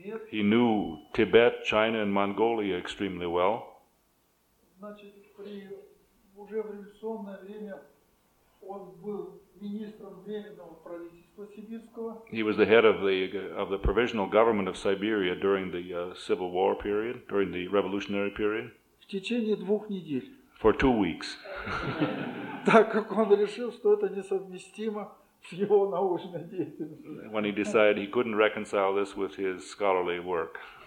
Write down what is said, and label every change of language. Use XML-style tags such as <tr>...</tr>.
<en>He knew Tibet, China, and Mongolia extremely well.</en> <ru>Значит, при уже в революционное время он был министром временного правительства сибирского.</ru> <en>He was the head of the provisional government of Siberia during the civil war period, during the revolutionary period.</en> <ru>В течение двух недель.</ru> <en>For 2 weeks.</en> <ru>Так как он решил, что это несовместимо с</ru> <en>when he decided he couldn't reconcile this with his scholarly work.</en>